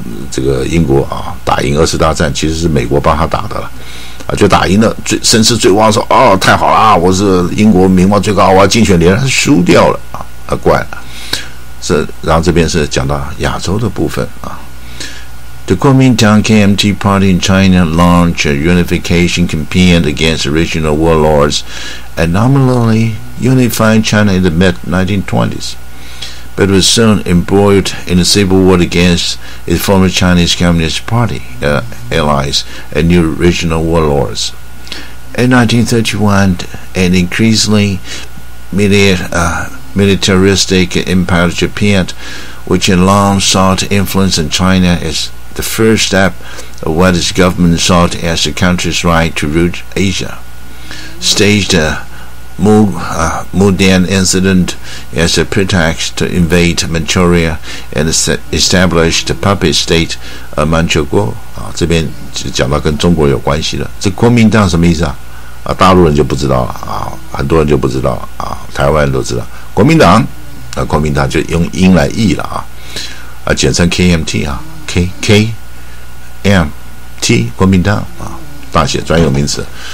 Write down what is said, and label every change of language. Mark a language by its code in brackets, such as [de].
[zh] 这个英国啊打赢二次大战，其实是美国帮他打的了，啊就打赢了，最声势最旺，说哦太好了，我是英国名望最高，我要竞选连任，输掉了啊，怪了，是然后这边是讲到亚洲的部分啊。 [en] The Kuomintang KMT Party in China launched a unification campaign against regional warlords and nominally unified China in the mid-1920s, but was soon embroiled in a civil war against its former Chinese Communist Party allies and new regional warlords. In 1931, an increasingly militaristic empire of Japan, which had long sought influence in China as the first step of what its government sought as the country's right to rule Asia, staged a Mudan incident as a pretext to invade Manchuria and establish the puppet state of Manchukuo. [zh] 啊，这边就讲到跟中国有关系的。这国民党什么意思啊？啊，大陆人就不知道了啊，很多人就不知道啊，台湾人都知道国民党。那、国民党就用英来译了啊，简称 KMT 啊。 KMT 国民党啊，大写专有名词。